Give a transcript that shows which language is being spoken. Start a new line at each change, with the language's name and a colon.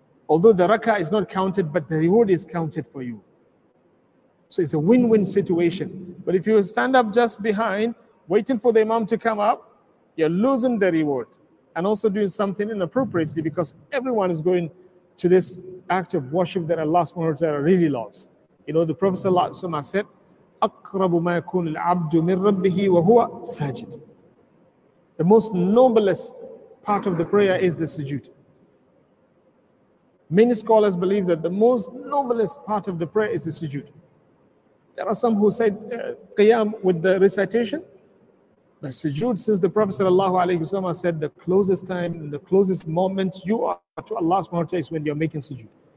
English: Although the rak'ah is not counted, but the reward is counted for you. So it's a win-win situation. But if you stand up just behind, waiting for the imam to come up, you're losing the reward and also doing something inappropriately, because everyone is going to this act of worship that Allah subhanahu wa ta'ala really loves. You know, the Prophet said,
Arabic: أَقْرَبُ مَا يَكُونُ الْعَبْدُ مِنْ رَبِّهِ وَهُوَ سَاجِدُ.
English: The most noblest part of the prayer is the sujood. Many scholars believe that the most noblest part of the prayer is the sujood. There are some who said qiyam with the recitation, but sujood, since the Prophet sallallahu alaihi wasallam said, the closest time, the closest moment you are to Allah subhanahu wa ta'ala is when you're making sujood.